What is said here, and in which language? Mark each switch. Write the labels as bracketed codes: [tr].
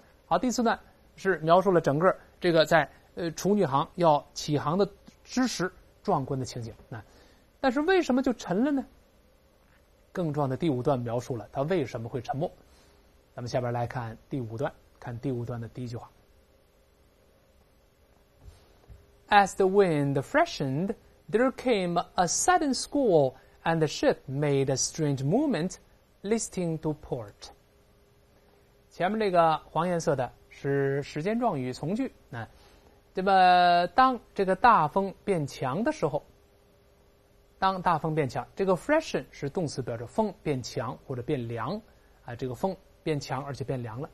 [zh] 好，第四段是描述了整个这个在处女航要起航的知识壮观的情景。那但是为什么就沉了呢？更壮的第五段描述了它为什么会沉没。咱们下边来看第五段，看第五段的第一句话。 [en] As the wind freshened, there came a sudden squall, and the ship made a strange movement, listing to port. [zh] 前面这个黄颜色的是时间状语从句，那么当这个大风变强的时候，当大风变强，这个 freshen 是动词，表示风变强或者变凉啊，这个风变强而且变凉了。